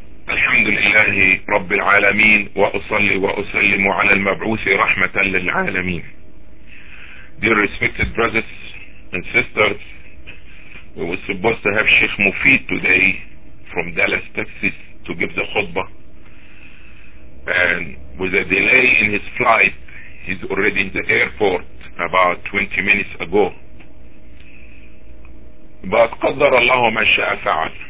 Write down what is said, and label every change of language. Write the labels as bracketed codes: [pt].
[ar] الحمد لله رب العالمين وأصلي وأسلم على المبعوث رحمة للعالمين. [en] Dear respected brothers and sisters, we were supposed to have Sheikh Mufid today from Dallas, Texas to give the khutbah, and with a delay in his flight, he's already in the airport about 20 minutes ago. But [ar] قدر الله ما شاء فعل.